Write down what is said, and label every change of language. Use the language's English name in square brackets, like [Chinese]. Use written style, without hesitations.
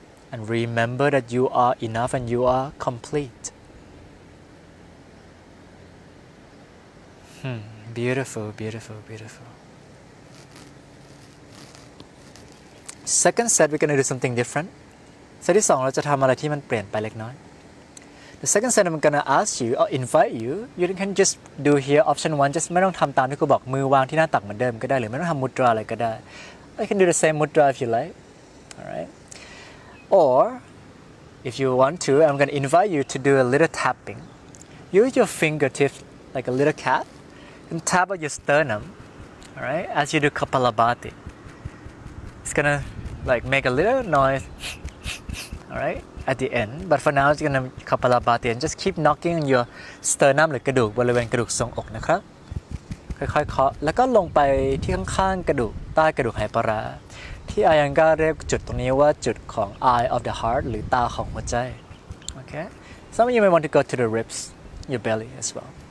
[English] And remember that you are enough and you are complete. Beautiful, beautiful, beautiful. Second set, we're going to do something different. Set [Thai] ที่สองเราจะทำอะไรที่มันเปลี่ยนไปเล็กน้อย [English] The second set, I'm going to ask you or invite you. You can just do here option one. Just [Thai] ไม่ต้องทำตามที่ครูบอกมือวางที่หน้าตักเหมือนเดิมก็ได้หรือไม่ต้องทำมุดราอะไรก็ได้ [English] I can do the same mudra if you like. Alright. Or, if you want to, I'm going to invite you to do a little tapping. Use your fingertips like a little cat and tap on your sternum. Alright, as you do Kapalabhati. It's going to like make a little noise. Alright, at the end. But for now, it's going to Kapalabhati and just keep knocking on your sternum like gadook, [Thai] บริเวณกระดูกทรงอกนะครับค่อยๆเคาะแล้วก็ลงไปที่ข้างๆกระดูกใต้กระดูกไหปลาร้า ที่อายังการเรียกจุดตรงนี้ว่าจุดของ [English] eye of the heart [Thai] หรือตาของหัวใจโอเค [English] some of you may want to go to the ribs your belly as well